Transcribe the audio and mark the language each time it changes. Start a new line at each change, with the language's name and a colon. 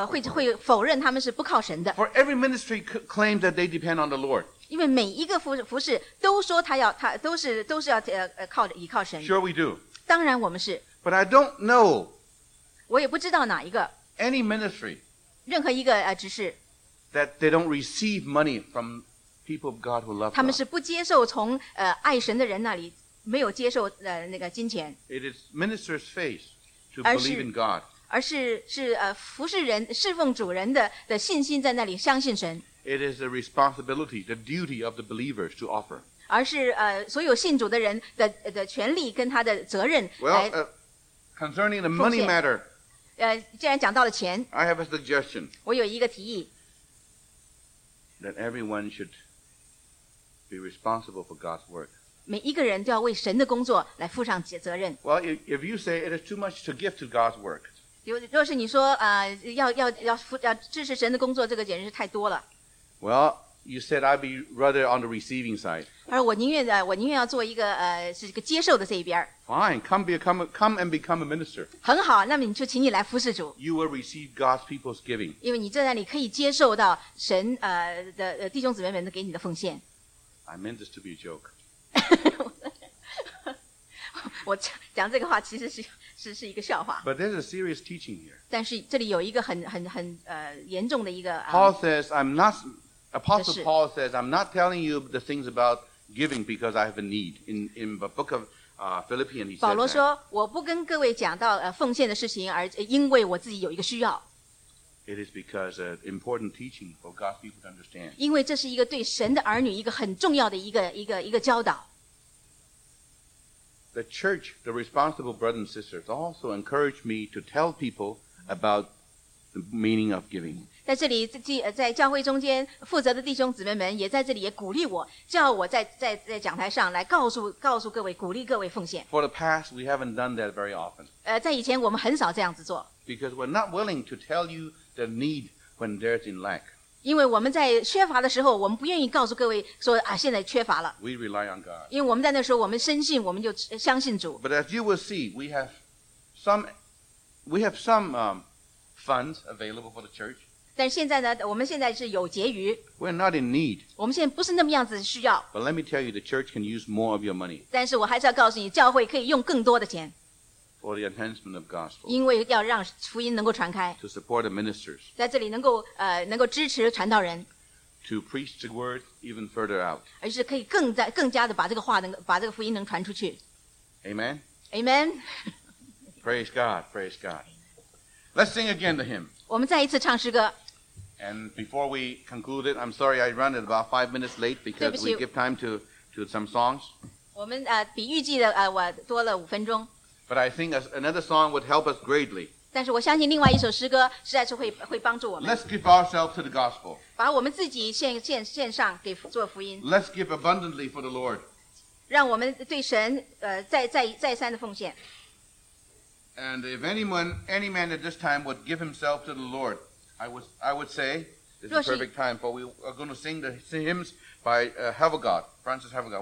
Chinese: 会否认他们是不靠神的。
English: For every ministry claims that they depend on the Lord.
Chinese: 因为每一个服事都说他都是要靠依靠神。
English: Sure we do.
Chinese: 当然我们是。
English: But I don't know.
Chinese: 我也不知道哪一个。
English: Any ministry.
Chinese: 任何一个执事。
English: That they don't receive money from people of God who love God.
Chinese: 他们是不接受从爱神的人那里没有接受那个金钱。
English: It is ministers' faith to believe in God.
Chinese: 而是服侍人侍奉主人的信心在那里相信神。
English: It is the responsibility, the duty of the believers to offer.
Chinese: 而是所有信主的人的权利跟他的责任来奉献。
English: Well, concerning the money matter.
Chinese: 既然讲到了钱。
English: I have a suggestion.
Chinese: 我有一个提议。
English: That everyone should be responsible for God's work.
Chinese: 每一个人都要为神的工作来负上责任。
English: Well, if you say it is too much to give to God's work.
Chinese: 若是你说要支持神的工作，这个简直是太多了。
English: Well, you said I'd be rather on the receiving side.
Chinese: 而我宁愿要做一个是一个接受的这一边。
English: Fine, come and become a minister.
Chinese: 很好，那么你就请你来服侍主。
English: You will receive God's people's giving.
Chinese: 因为你在那里可以接受到神的弟兄姊妹们给你的奉献。
English: I meant this to be a joke.
Chinese: 我讲这个话其实是。是一个笑话。
English: But there's a serious teaching here.
Chinese: 但是这里有一个很严重的一个。
English: Paul says, I'm not. Apostle Paul says, I'm not telling you the things about giving because I have a need. In the book of Philippians, he says.
Chinese: 保罗说，我不跟各位讲到奉献的事情，而因为我自己有一个需要。
English: It is because an important teaching for God's people to understand.
Chinese: 因为这是一个对神的儿女一个很重要的一个教导。
English: The church, the responsible brothers and sisters, also encouraged me to tell people about the meaning of giving.
Chinese: 在这里，在教会中间负责的弟兄姊妹们也在这里也鼓励我，叫我在讲台上来告诉各位，鼓励各位奉献。
English: For the past, we haven't done that very often.
Chinese: 在以前我们很少这样子做。
English: Because we're not willing to tell you the need when there's in lack.
Chinese: 因为我们在缺乏的时候，我们不愿意告诉各位说现在缺乏了。
English: We rely on God.
Chinese: 因为我们在那时候，我们深信，我们就相信主。
English: But as you will see, we have some funds available for the church.
Chinese: 但现在呢，我们现在是有结余。
English: We're not in need.
Chinese: 我们现在不是那么样子需要。
English: But let me tell you, the church can use more of your money.
Chinese: 但是我还是要告诉你，教会可以用更多的钱。
English: For the enhancement of gospel,
Chinese: 因为要让福音能够传开
English: to support the ministers,
Chinese: 在这里能够支持传道人
English: to preach the word even further out,
Chinese: 而是可以更加的把这个福音能传出去
English: Amen? Amen? Praise God, praise God. Let's sing again the hymn.
Chinese: 我们再一次唱诗歌
English: And before we conclude it, I'm sorry I run it about 5 minutes late because we give time to some songs.
Chinese: 我们比预计的我多了五分钟
English: But I think another song would help us greatly.
Chinese: 但是我相信另外一首诗歌实在是会帮助我们。
English: Let's give ourselves to the gospel.
Chinese: 把我们自己献上给做福音。
English: Let's give abundantly for the Lord.
Chinese: 让我们对神再三的奉献。
English: And if any man at this time would give himself to the Lord, I would say this is a perfect time for we are going to sing the hymns by Havergal, Francis Havergal.